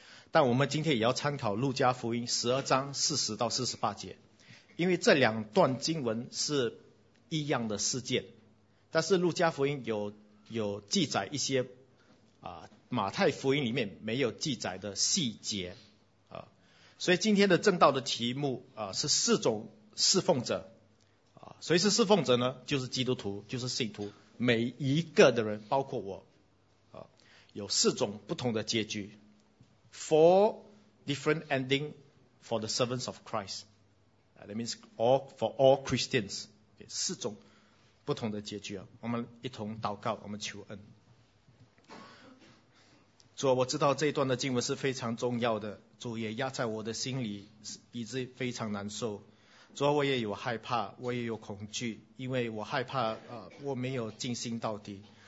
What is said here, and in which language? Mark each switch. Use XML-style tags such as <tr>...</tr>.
<zh>但我们今天也要参考路加福音12章40到48节，因为这两段经文是一样的事件，但是路加福音有记载一些马太福音里面没有记载的细节所以今天的正道的题目是四种侍奉者谁是侍奉者呢？就是基督徒，就是信徒，每一个的人，包括我有四种不同的结局。</zh> <en>Four different ending for the servants of Christ. That means for all Christians.</en> <zh>四种不同的结局我们一同祷告，我们求恩。主，我知道这一段的经文是非常重要的，主也压在我的心里，以致非常难受。主，我也有害怕，我也有恐惧，因为我害怕我没有尽心到底。</zh>